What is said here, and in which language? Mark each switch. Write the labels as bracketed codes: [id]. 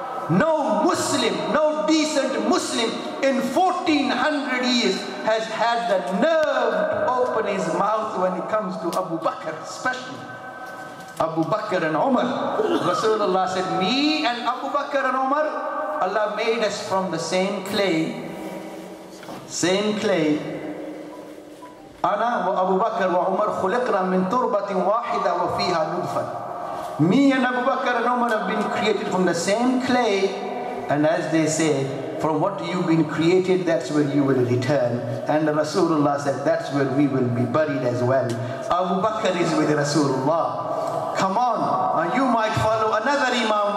[en] No Muslim, no decent Muslim in 1400 years has had the nerve to open his mouth when it comes to Abu Bakr, especially Abu Bakr and Umar. Rasulullah said, me and Abu Bakr and Umar, Allah made us from the same clay. Same clay. [ar] أنا وأبو بكر وعمر خلقنا من تربة واحدة وفيها ندفن. [en] Me and Abu Bakr and Umar have been created from the same clay, and as they say, from what you've been created, that's where you will return. And Rasulullah said, that's where we will be buried as well. Abu Bakr is with Rasulullah. Come on, you might follow another imam.